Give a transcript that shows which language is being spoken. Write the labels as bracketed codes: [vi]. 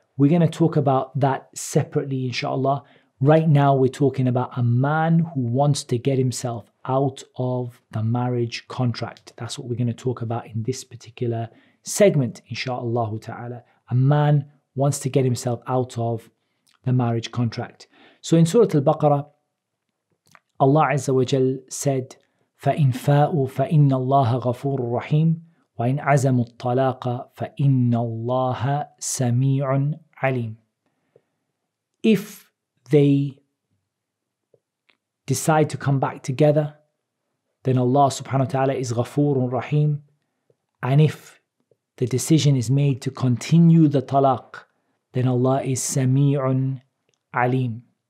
[en] We're going to talk about that separately, inshallah. Right now, we're talking about a man who wants to get himself out of the marriage contract. That's what we're going to talk about in this particular segment, inshallah ta'ala. A man wants to get himself out of the marriage contract. [ar] So in Surah Al-Baqarah, Allah Azza wa Jal said, فَإِنْ فَاءُوا فَإِنَّ اللَّهَ غَفُورٌ رَحِيمٌ وَإِنْ عَزَمُوا الطَّلَاقَ فَإِنَّ اللَّهَ سَمِيعٌ عَلِيمٌ. [en] If they decide to come back together, then Allah subhanahu wa ta'ala is غَفُورٌ رَحِيمٌ. And if the decision is made to continue the talaq, then Allah is Sami'un Alim.